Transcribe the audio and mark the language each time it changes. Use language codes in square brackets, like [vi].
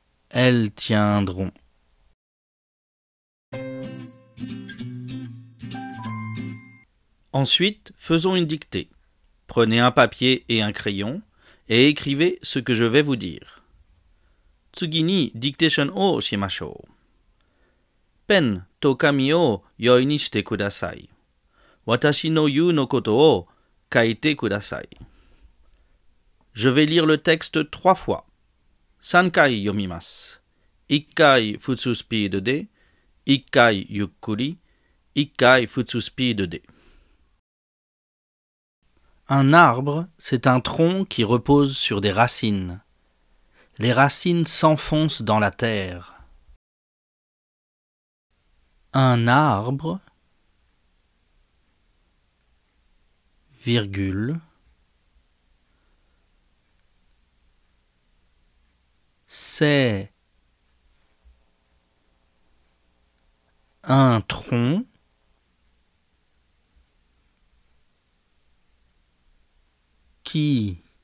[fr] Elles tiendront. Ensuite, faisons une dictée. Prenez un papier et un crayon et écrivez ce que je vais vous dire. [ja] 次にディクテーションをしましょう。ペンと紙を用意にしてください。私の言うのことを書いてください。 [fr] Je vais lire le texte trois fois. [ja] 三回読みます。一回普通スピードで、一回ゆっくり、一回普通スピードで。 [fr] Un arbre, c'est un tronc qui repose sur des racines. Les racines s'enfoncent dans la terre. Un arbre, virgule, c'est un tronc qui.